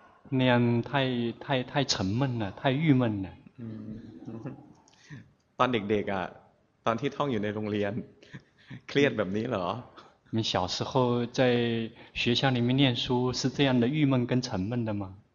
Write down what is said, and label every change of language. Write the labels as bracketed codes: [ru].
[zh] 那样太沉闷了太郁闷了 [th] ตอนเด็กๆอ่ะตอนที่ท่องอยู่ในโรงเรียนเครียดแบบนี้เหรอ [zh] 你小时候在学校里面念书是这样的郁闷跟沉闷的吗